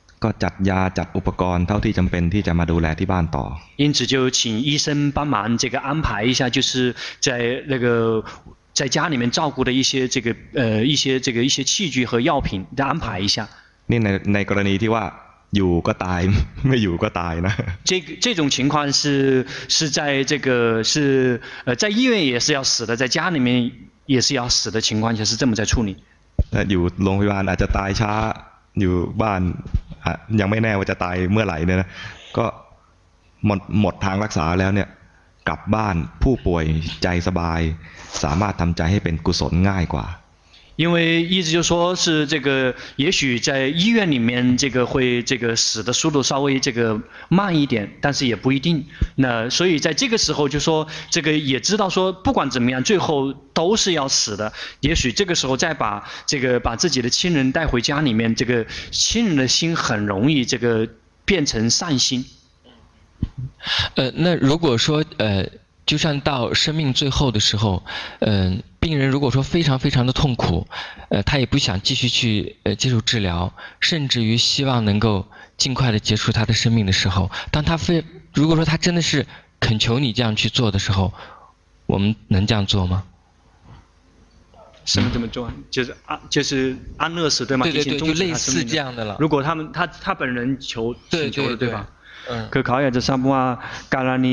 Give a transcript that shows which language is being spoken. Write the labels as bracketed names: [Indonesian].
[Thai] ก็จัดยาจัดอุปกรณ์เท่าที่จำเป็นที่จะมาดูแลที่บ้านต่อ [Chinese] 因此就请医生帮忙这个安排一下就是在那个在家里面照顾的一些这个一些这个一些器具和药品的安排一下 [Thai] 那ในกรณีที่ว่าอยู่ก็ตายไม่อยู่ก็ตายนะ [Chinese] 这种情况是在这个是在医院也是要死的在家里面也是要死的情况下是这么在处理 [Thai] อยู่โรงพยาบาลอาจจะตายช้าอยู่บ้านยังไม่แน่ว่าจะตายเมื่อไหร่เนี่ยนะก็หมดทางรักษาแล้วเนี่ยกลับบ้านผู้ป่วยใจสบายสามารถทำใจให้เป็นกุศลง่ายกว่า [Chinese] 因为意思就是说是这个也许在医院里面这个会这个死的速度稍微这个慢一点但是也不一定那所以在这个时候就说这个也知道说不管怎么样最后都是要死的也许这个时候再把这个把自己的亲人带回家里面这个亲人的心很容易这个变成善心那如果说就算到生命最后的时候病人如果说非常非常的痛苦他也不想继续去接受治疗甚至于希望能够尽快的结束他的生命的时候当他非如果说他真的是恳求你这样去做的时候我们能这样做吗什么怎么做就是安乐死对吗对对对就类似这样的了如果他们他本人求请求的对, 对, 对, 对, 对吧 [Thai] คือเขาอยากจะทราบว่าการณ